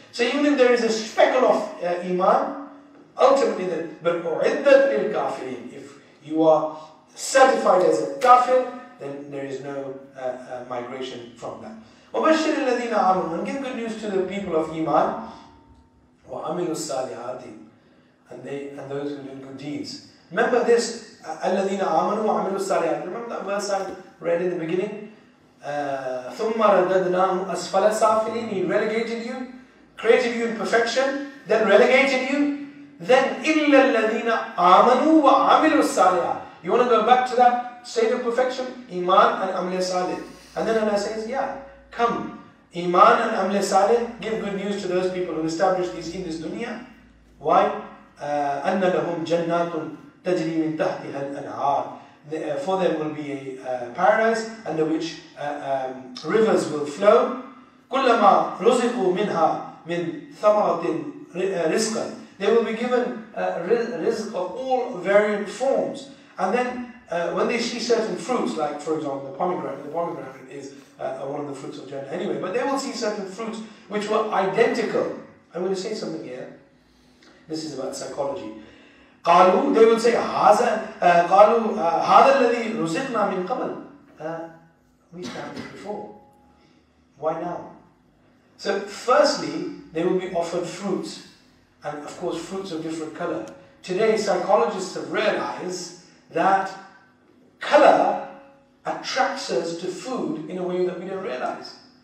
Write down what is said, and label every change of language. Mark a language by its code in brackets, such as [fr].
[en] So even if there is a speckle of iman, ultimately then, but [ar] u'iddat lil kafirin, [en] if you are certified as a kafir, then there is no migration from that. [ar] Wabashir alladhina amanu, [en] and give good news to the people of iman, [ar] wa amilu saliati, [en] and those who do good deeds. Remember this, [ar] الَّذِينَ آمَنُوا وَعَمِلُوا الصَّالِحَاتِ. [en] Remember that verse I read in the beginning? [ar] ثُمَّ رَدَّدْنَا أَسْفَلَ سَافِلِينَ. [en] He relegated you, created you in perfection, then relegated you. Then, [ar] إِلَّا الَّذِينَ آمَنُوا وَعَمِلُوا الصَّالِحَاتِ. [en] You want to go back to that state of perfection? Iman and Amal Salih. And then Allah says, yeah, come. Iman and Amal Salih, give good news to those people who established these in this dunya. Why? [ar] أَنَّ لَهُمْ جَنَّاتٌ تَجْرِي مِنْ تَحْتِهَا الْأَنْهَارِ. [en] For them will be a paradise under which rivers will flow. [ar] كُلَّمَا رُزِقُوا مِنْهَا مِنْ ثَمَرَةٍ رِزْقًا. [en] They will be given rizq of all varied forms. And then when they see certain fruits, like for example the pomegranate is one of the fruits of Jannah anyway, but they will see certain fruits which were identical. I'm going to say something here. This is about psychology. [ar] قالوا, [en] they will say, [ar] هذا قالوا هذا الذي رزقنا من قبل. [en] We found it before. Why now? So firstly, they will be offered fruits, and of course, fruits of different color. Today, psychologists have realized that color attracts us to food in a way that we don't realize.